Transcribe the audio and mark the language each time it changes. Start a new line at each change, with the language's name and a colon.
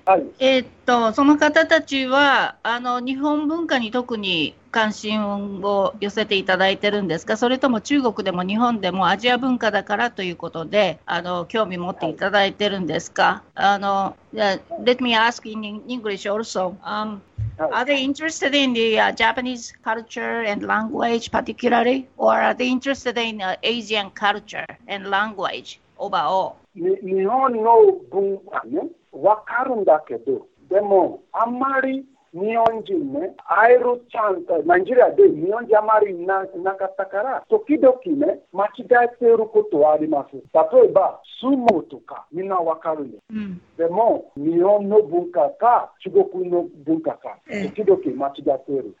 Japanese: はい。その方たちは、日本文化に特に関心を寄せていただいてるんですか、それとも中国でも日本でもアジア文化だからということで興味持っていただいてるんですか。
English: Let me ask in English also. Are they interested in the Japanese culture and language particularly, or are they interested in Asian culture and language overall?
Japanese: 日本の文化ね、わかるんだけど、でもあんまり日本人ね、会えるチャンス、ナイジェリアで日本人あまりなかったから、時々ね、間違えていることはあります。例えば、相撲とか、みんなわかるね。でも、日本の文化か、中国の文化か、時々間違っている。